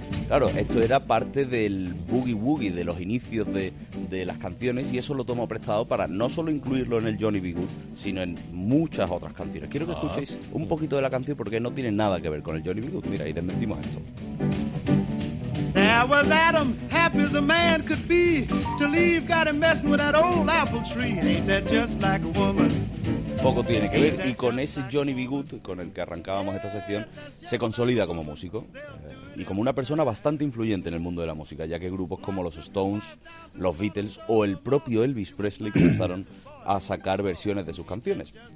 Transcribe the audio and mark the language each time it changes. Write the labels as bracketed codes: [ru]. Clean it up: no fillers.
[es] Claro, esto era parte del boogie-woogie de los inicios de las canciones y eso lo tomo prestado para no solo incluirlo en el Johnny B. Goode, sino en muchas otras canciones. Quiero que escuchéis un poquito de la canción porque no tiene nada que ver con el Johnny B. Goode. Mira, ahí desmentimos esto. There [en] I was Adam, happy as a man could be. To leave, got him messing with that old apple tree. Ain't that just like a woman? [es] Poco tiene que ver, y con ese Johnny B. Goode, con el que arrancábamos esta sección, se consolida como músico y como una persona bastante influyente en el mundo de la música, ya que grupos como los Stones, los Beatles o el propio Elvis Presley comenzaron a sacar versiones de sus canciones.